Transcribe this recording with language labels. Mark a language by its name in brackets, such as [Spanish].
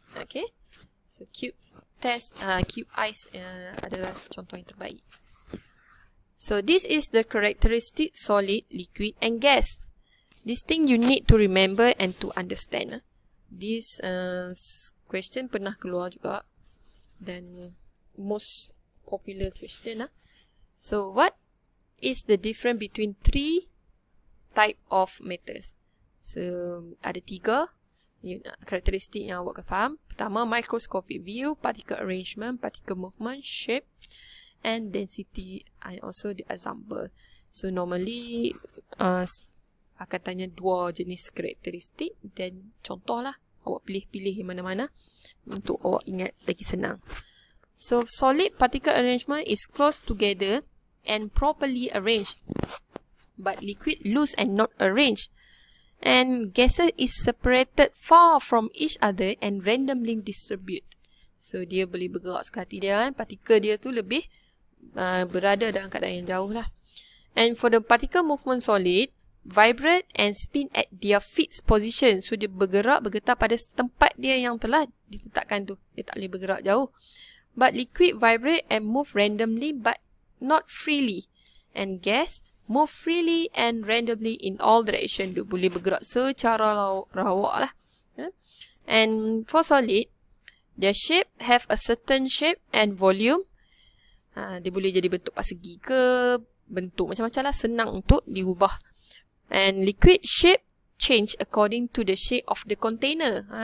[Malay] Okay, so cube ice adalah contoh yang terbaik. [English] So this is the characteristic solid, liquid and gas. This thing you need to remember and to understand. This question [Malay] pernah keluar juga dan [English] most popular question lah. So what is the difference between three type of matters? [Malay] So ada tiga karakteristik yang awak kena faham. Pertama, [English] microscopic view, particle arrangement, particle movement, shape and density and also the example. [Malay] So normally akan tanya dua jenis karakteristik dan contohlah awak pilih-pilih mana-mana untuk awak ingat lagi senang. [English] So solid particle arrangement is close together and properly arranged, but liquid loose and not arranged. And gases is separated far from each other and randomly distributed. [Malay] So dia boleh bergerak sekali dia kan. Partikel dia tu lebih berada dalam keadaan yang jauh lah. [English] And for the particle movement solid, vibrate and spin at their fixed position. [Malay] So dia bergerak bergetar pada tempat dia yang telah ditetapkan tu. Dia tak boleh bergerak jauh. [English] But liquid vibrate and move randomly but not freely. And gas move freely and randomly in all direction. [Malay] Dia boleh bergerak secara rawak lah. [English] And for solid, their shape have a certain shape and volume. [Malay] Dia boleh jadi bentuk persegi ke, bentuk macam-macam lah, senang untuk diubah. [English] And liquid shape change according to the shape of the container.